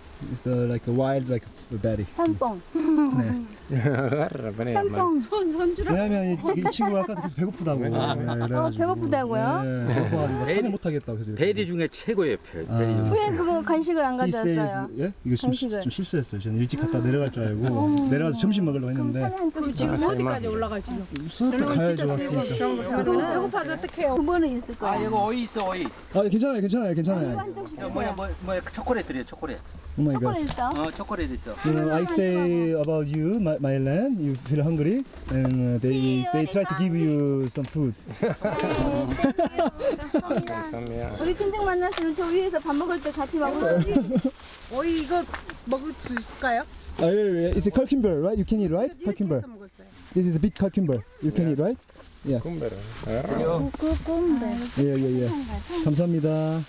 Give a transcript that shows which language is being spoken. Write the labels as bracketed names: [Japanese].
[English] It's the like a wild like a berry. [Korean] 삼뽕. 네. 삼뽕. 손주라. 왜냐면 이 친구 아까 계속 배고프다고. 아, 배고프다고요? 네. 배고파서 산에 못 타겠다고 계속. 베리 중에 최고예요, 베리. 왜 그거 간식을 안 가져왔어요? 예? 이거 좀 실수했어요. 저는 일찍 갔다 내려갈 줄 알고 내려가서 점심 먹으려고 했는데. 지금 어디까지 올라가지? 서울까지 가야죠, 왔으니까. 배고파서 어떡해요? 두 번은 있을 거야. 아, 이거 어이 있어, 어이. 아, 괜찮아요, 괜찮아요, 괜찮아요. 뭐야, 초콜릿들이에요, 초콜릿. 오 마이 갓. 초콜릿 있어. [English] You know, I say about you, my land. You feel hungry, and they try to give you some food. [Korean] 감사합니다. 우리 친정 만났으면 저 위에서 밥 먹을 때 같이 먹을래요? 어이, 이거 먹을 수 있을까요? 아, 예, 예. [English] It's a cucumber, right? You can eat, right? Cucumber. This is a big cucumber. You can eat, right? Yeah. Cucumber. 쿠쿠쿠쿠쿠. [Korean] 예, 예, 예. 감사합니다.